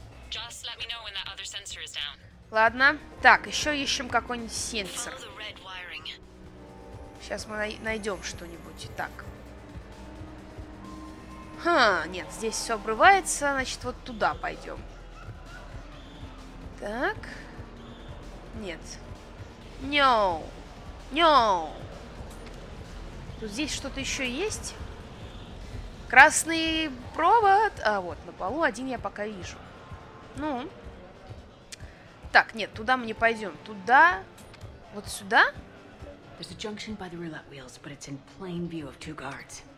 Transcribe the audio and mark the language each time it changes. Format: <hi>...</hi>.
<en>Just let me know when that other sensor is down.</en> <ru>Ладно. Так, еще ищем какой-нибудь сенсор. Сейчас мы найдем что-нибудь. Так. Ха, нет, здесь все обрывается. Значит, вот туда пойдем. Так. Нет. Ньоу. Ньоу. Тут здесь что-то еще есть? Красный провод. А, вот, на полу один я пока вижу. Ну. Так, нет, туда мы не пойдем. Туда. Вот сюда.</ru> <en>There's a junction by the roulette wheels, but it's in plain view of two guards.</en>